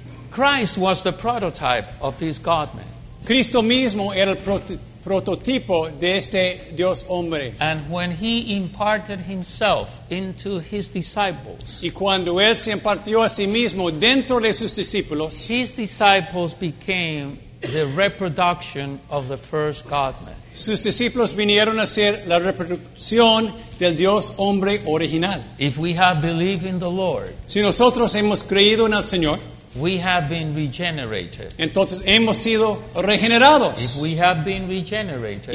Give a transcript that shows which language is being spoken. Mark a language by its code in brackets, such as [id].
[en] Christ was the prototype of this God-man. [es] Cristo mismo era el prototipo de este Dios hombre. [en] And when he imparted himself into his disciples. [es] Y cuando él se impartió a sí mismo dentro de sus discípulos. [en] His disciples became the reproduction of the first God-man. [es] Sus discípulos vinieron a ser la reproducción del Dios hombre original. [en] If we have believed in the Lord, [es] si nosotros hemos creído en el Señor, [en] we have been regenerated. [es] Entonces hemos sido regenerados. [en] If we have been regenerated,